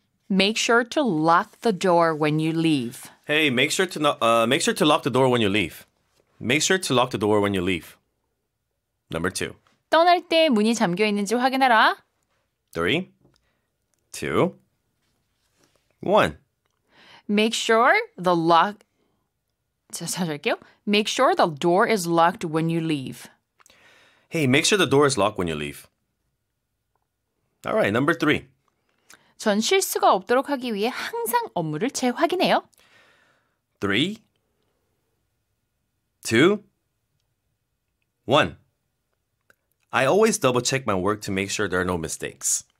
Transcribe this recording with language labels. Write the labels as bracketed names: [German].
[English] Make sure to lock the door when you leave. Hey, make sure to lock the door when you leave. Make sure to lock the door when you leave. Number two. [Korean] 떠날 때 문이 잠겨 있는지 확인해라. [English] Three, two, one. Make sure the lock. [Korean] 찾아볼게요. [English] Make sure the door is locked when you leave. Hey, make sure the door is locked when you leave. All right, number three. [Korean] 전 실수가 없도록 하기 위해 항상 업무를 재확인해요. [English] Three, two, one. I always double check my work to make sure there are no mistakes.